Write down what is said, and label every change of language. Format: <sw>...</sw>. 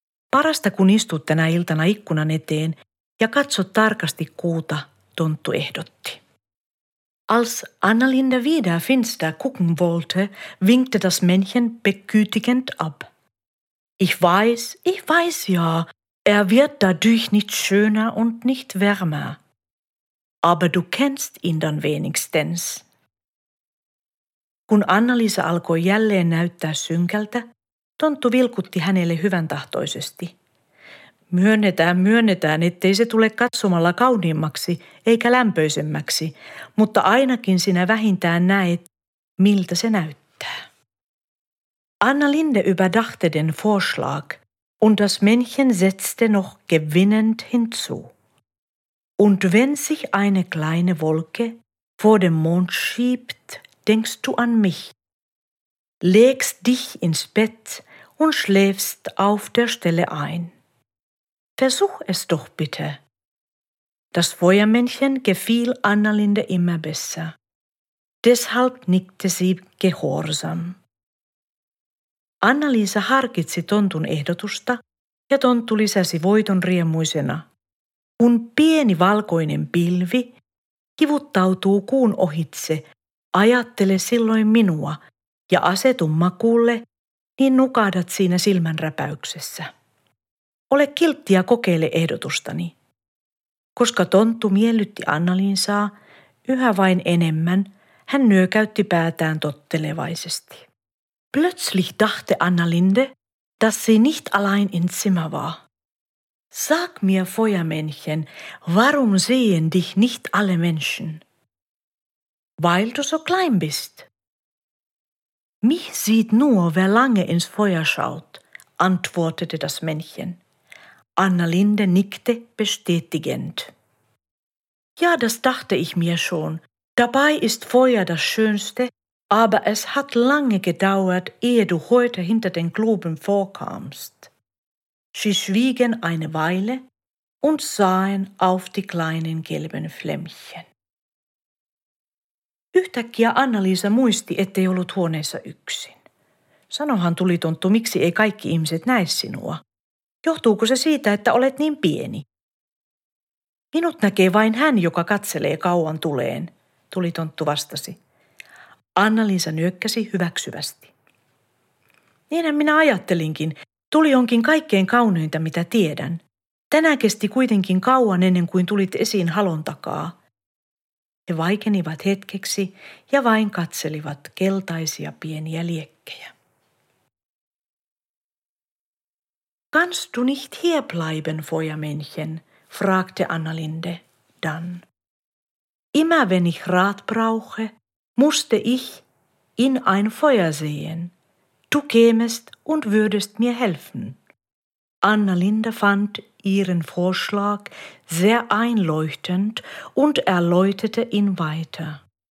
<fi>Parasta kun istut tänä iltana ikkunan eteen ja katsot tarkasti kuuta, tonttu ehdotti.</fi> <de>Als Annalinde wieder finster gucken wollte, winkte das Männchen begütigend ab. Ich weiß ja, er wird dadurch nicht schöner und nicht wärmer. Aber du kennst ihn dann wenigstens.</de> <fi>Kun Anna-Liisa alkoi jälleen näyttää synkältä, tonttu vilkutti hänelle hyväntahtoisesti. Myönnetään, ettei se tule katsomalla kauniimmaksi eikä lämpöisemmäksi, mutta ainakin sinä vähintään näet, miltä se näyttää.</fi> <de>Annalinde überdachte den Vorschlag und das Männchen setzte noch gewinnend hinzu. Und wenn sich eine kleine Wolke vor dem Mond schiebt, denkst du an mich. Legst dich ins Bett und schläfst auf der Stelle ein. Versuch es doch bitte. Das Feuermännchen gefiel Annalinde immer besser. Deshalb nickte sie gehorsam.</de> <fi>Anna-Liisa harkitsi tontun ehdotusta ja tonttu lisäsi voiton riemuisena. Kun pieni valkoinen pilvi kivuttautuu kuun ohitse, ajattele silloin minua ja asetu makuulle, niin nukahdat siinä silmänräpäyksessä. Ole kiltti ja kokeile ehdotustani. Koska tonttu miellytti Anna-Liisaa yhä vain enemmän, hän nyökäytti päätään tottelevaisesti.</fi> <de>Plötzlich dachte Annalinde, dass sie nicht allein im Zimmer war. Sag mir, Feuermännchen, warum sehen dich nicht alle Menschen? Weil du so klein bist. Mich sieht nur, wer lange ins Feuer schaut, antwortete das Männchen. Annalinde nickte bestätigend. Ja, das dachte ich mir schon. Dabei ist Feuer das Schönste, aber es hat lange gedauert, ehe du heute hinter den Globen vorkamst. Sie schwiegen eine Weile und sahen auf die kleinen gelben Flämmchen.</de> <fi>Yhtäkkiä Anna-Liisa muisti, ettei ollut huoneessa yksin. Sanohan tulitonttu, miksi ei kaikki ihmiset näe sinua. Johtuuko se siitä, että olet niin pieni? Minut näkee vain hän, joka katselee kauan tuleen, tulitonttu vastasi. Anna-Liisa nyökkäsi hyväksyvästi. Niinhän minä ajattelinkin. Tuli onkin kaikkein kauneinta, mitä tiedän. Tänään kesti kuitenkin kauan ennen kuin tulit esiin halon takaa. He vaikenivat hetkeksi ja vain katselivat keltaisia pieniä liekkejä.</fi> <de>Kannst du nicht hier bleiben, Feuermännchen? Fragte Annalinde dann. Immer wenn ich Rat brauche, musste ich in ein Feuer sehen. Du kämest und würdest mir helfen. Annalinde fand ihren Vorschlag sehr einleuchtend und erläuterte ihn weiter.</de>